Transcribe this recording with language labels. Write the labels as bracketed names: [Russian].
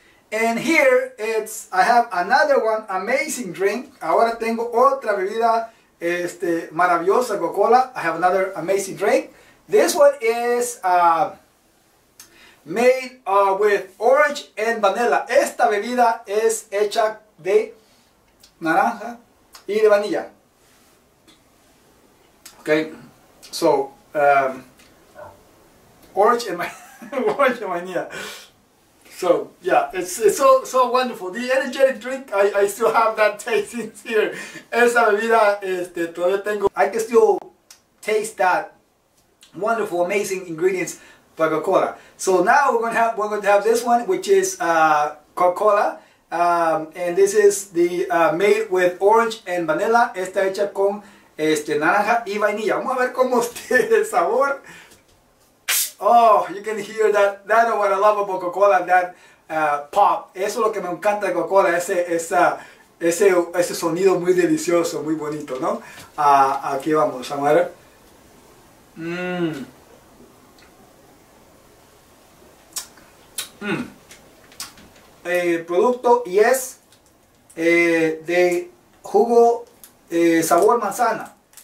[English] And here, I have another one amazing drink. [Spanish] Ahora tengo otra bebida maravillosa, Coca-Cola. [English] I have another amazing drink. This one is made with orange and vanilla. [Spanish] Esta bebida es hecha de naranja y de vanilla. [English] Okay, so orange and vanilla. So yeah, it's so wonderful. The energetic drink, I still have that taste in here. [Spanish] Esa bebida, todavía tengo. [English] I can still taste that wonderful, amazing ingredients, Coca-Cola. So now we're going to have this one, which is Coca-Cola, and this is the made with orange and vanilla. [Spanish] Está hecha con naranja y vainilla. Vamos a ver cómo está el sabor. [English] Oh, you can hear that is what I love about Coca-Cola, that pop. [Spanish] Eso es lo que me encanta de Coca-Cola, ese sonido muy delicioso, muy bonito, ¿no? Aquí vamos, a ver. El producto y es de jugo sabor manzana.